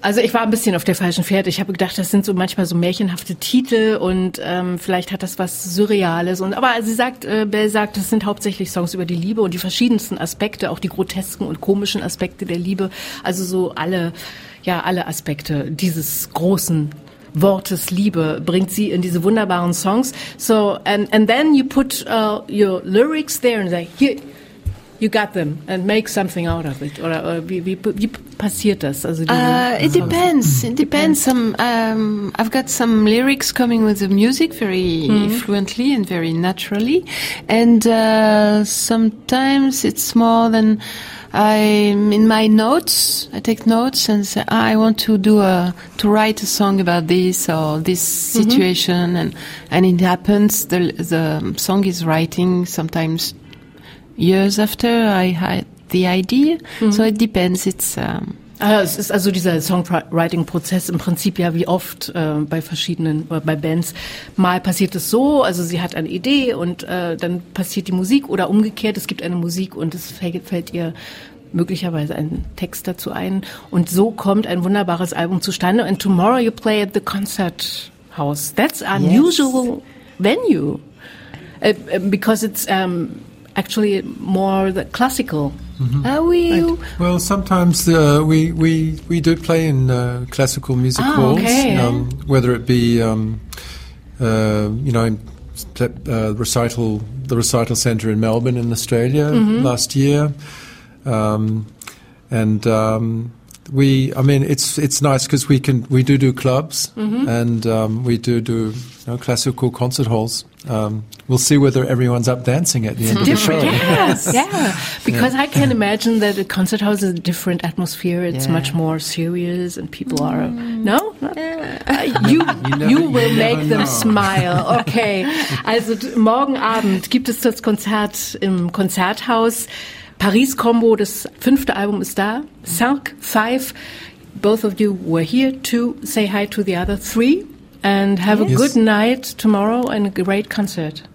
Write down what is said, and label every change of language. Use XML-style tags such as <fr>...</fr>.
<de>Also ich war ein bisschen auf der falschen Fährte. Ich habe gedacht, das sind so manchmal so märchenhafte Titel und vielleicht hat das was Surreales. Aber sie sagt, Belle sagt, das sind hauptsächlich Songs über die Liebe und die verschiedensten Aspekte, auch die grotesken und komischen Aspekte der Liebe. Also so alle Aspekte dieses großen Wortes Liebe bringt sie in diese wunderbaren Songs.</de> <en>So and then you put your lyrics there and say, here, you got them and make something out of it.</en> <de>Oder wie passiert das?</de> <en>Also it depends. I've got some lyrics coming with the music very fluently and very naturally, and sometimes it's more than I'm in my notes. I take notes and say, I want to write a song about this or this situation, and it happens. The song is writing sometimes years after I had the idea. Mm-hmm. So it depends.</en> <de>Es ist also dieser Songwriting-Prozess im Prinzip ja wie oft bei verschiedenen bei Bands. Mal passiert es so, also sie hat eine Idee und dann passiert die Musik oder umgekehrt, es gibt eine Musik und es fällt ihr möglicherweise ein Text dazu ein. Und so kommt ein wunderbares Album zustande.</de> <en>And tomorrow you play at the Concert House. That's unusual venue. Because it's actually more the classical. Mm-hmm. Are we? Well, sometimes we do play in classical music halls, whether it be the recital center in Melbourne in Australia last year, it's nice because we do clubs and we do classical concert halls. We'll see whether everyone's up dancing at the end of the show. I can imagine that a concert house is a different atmosphere. It's much more serious and people are... No? You will make them smile. Okay.</en> <de>Also morgen Abend gibt es das Konzert im Konzerthaus. Paris Combo, das fünfte Album ist da. Five.</de> <en>Both of you were here to say hi to the other three. And have a good night tomorrow and a great concert.</en>